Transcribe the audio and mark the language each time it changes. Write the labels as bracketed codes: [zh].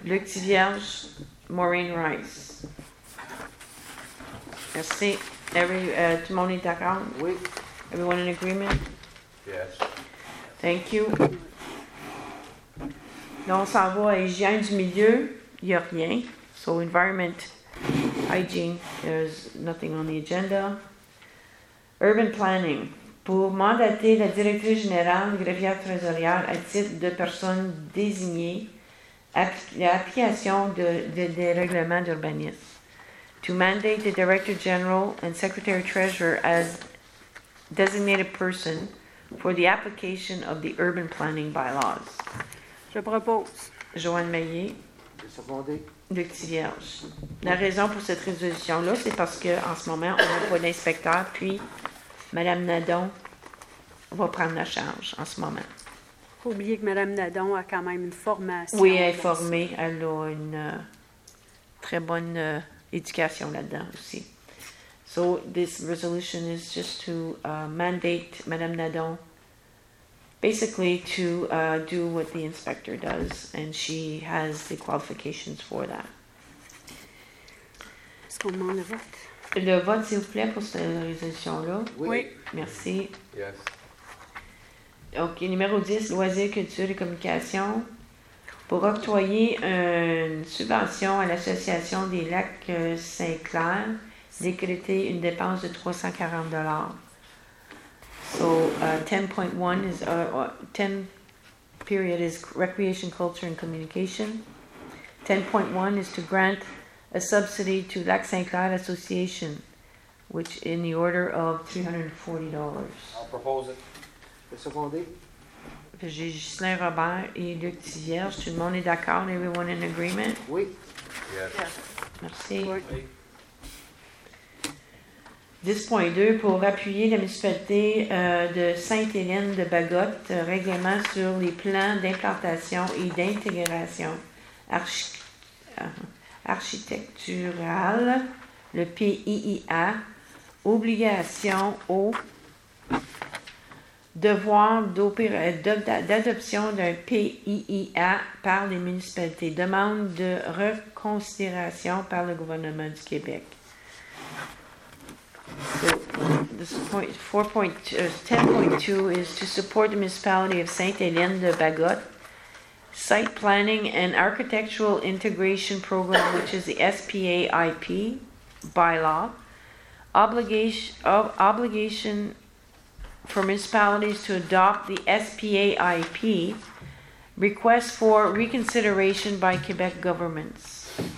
[fr] Luc Thivierge, Maureen Rice. Merci. Tout le monde est d'accord? Oui. [en] Everyone in agreement? Yes. Thank you. [fr] Donc, on s'en va à hygiène du milieu, il n'y a rien. [en] So, environment, hygiene, there's nothing on the agenda. Urban planning, [fr] pour mandater la directrice générale, greffière trésorière, à titre de personne désignée, l'application des règlements d'urbanisme. [en] To mandate the director general and secretary treasurer as designated person for the application of the urban planning bylaws. [fr] Je propose. Joanne Maillet. Je propose. Luc Thivierge. La raison pour cette résolution-là, c'est parce qu'en ce moment, on n'a pas d'inspecteur, puis Mme Nadon va prendre la charge en ce moment. Il ne faut pas oublier que Mme Nadon a quand même une formation. Oui, elle est formée. Elle a une très bonne éducation là-dedans aussi. [en] So, this resolution is just to mandate Mme Nadon basically to do what the inspector does, and she has the qualifications for that. [fr] Est-ce qu'on demande le vote? Le vote, s'il vous plaît, pour cette résolution-là. Oui. Merci. [en] Yes. [fr] OK, numéro 10, loisirs, culture et communication. Pour octroyer une subvention à l'Association des Lacs Saint-Clair, décréter une dépense de $340. [en] So, 10.1 is 10 period is recreation, culture, and communication. 10.1 is to grant a subsidy to Lac Saint-Clair Association, which in the order of $340. I'll propose it. It's secondé. [fr] J'ai Ghislain Robert et Luc Thivierge. Tout le monde est d'accord? [en] Everyone in agreement? [fr] Oui. [en] Yes. [fr] Merci. Oui. 10.2, pour appuyer la municipalité de Sainte-Hélène de Bagotte, règlement sur les plans d'implantation et d'intégration architecturale, le PIIA, obligation au devoir d'adoption d'un PIIA par les municipalités, demande de reconsidération par le gouvernement du Québec. [en] So, this point 10.2 is to support the municipality of Sainte-Hélène de Bagotte site planning and architectural integration program, which is the SPAIP bylaw obligation for municipalities to adopt the SPAIP request for reconsideration by Quebec governments.